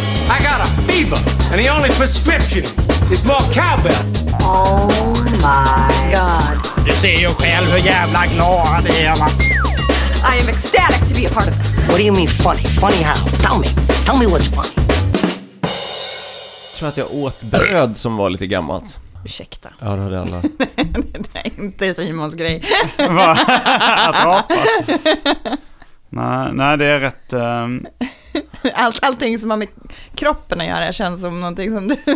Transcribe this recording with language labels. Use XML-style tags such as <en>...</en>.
<en>I got a fever, and the only prescription is more cowbell. Oh my God. You see, you</en> <sv>själv hur jävla glad jag är.</sv> <en>I am ecstatic to be a part of this. What do you mean funny? Funny how? Tell me what's funny.</en> <sv>Jag tror att jag åt bröd som var lite gammalt. Ursäkta. Ja, det hade alla. Det är inte Simons grej. Va? Att rapa? Nej, det är rätt... Allting som har med kroppen att göra känns som någonting som du...</sv>